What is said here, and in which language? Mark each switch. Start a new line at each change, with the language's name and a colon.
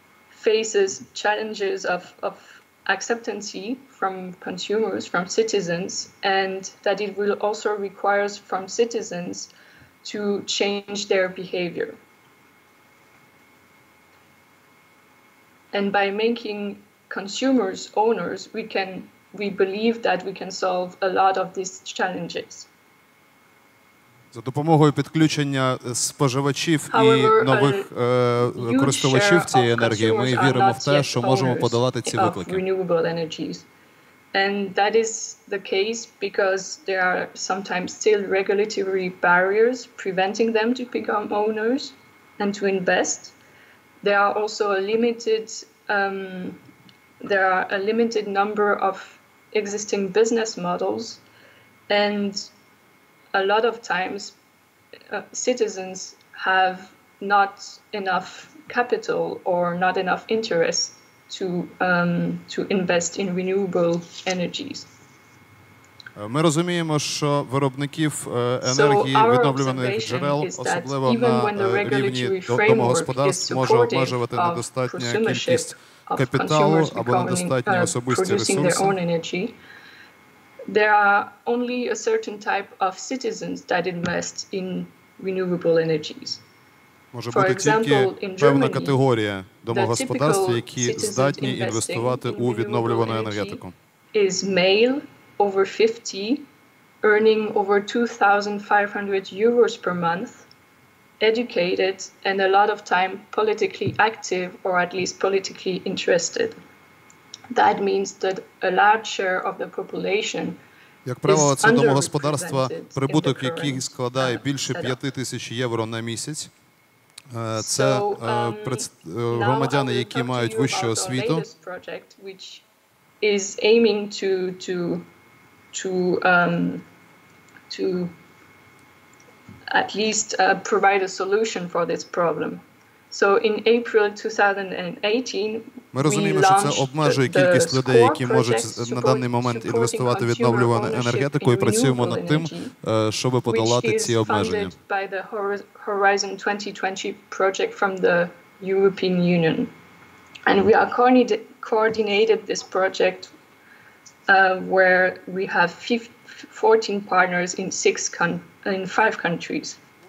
English: faces challenges of acceptance from consumers, from citizens, and that it will also require from citizens to change their behavior. And by making consumers owners, we believe that we can solve a lot of these challenges.
Ukrainian: За допомогою підключення споживачів і нових користувачів цієї енергії, ми віримо в те, що можемо подолати ці виклики.
English: Renewable energies. And that is the case because there are sometimes still regulatory barriers preventing them to become owners and to invest. There are also a limited number of existing business models, and a lot of times citizens have not enough capital or not enough interest to invest in renewable energies.
Ukrainian: Ми розуміємо, що виробників енергії відновлюваних джерел, особливо на рівні домогосподарств, може обмежувати недостатня кількість капіталу або недостатні особисті ресурси.
English: There are only a certain type of citizens that invest in renewable energies.
Ukrainian: Може бути тільки певна категорія домогосподарств, які здатні інвестувати у відновлювану енергетику.
English: Is male over 50, earning over 2,500 euros per month, educated, and a lot of time politically active, or at least politically interested. That means that a large share of the population
Ukrainian: Як правило, це домогосподарства, прибуток яких складає більше 5000 євро на місяць. Це громадяни, які мають вищу освіту.
English: To at least provide a solution for this problem. So in April 2018,
Ukrainian: ми розуміємо, що це обмежує кількість людей, які можуть на даний момент інвестувати відновлювану енергетику, і працюємо над тим, щоб подолати ці обмеження.
English: By the Horizon 2020 project from the European Union. And we are coordinated this project where we have 14 partners in five countries.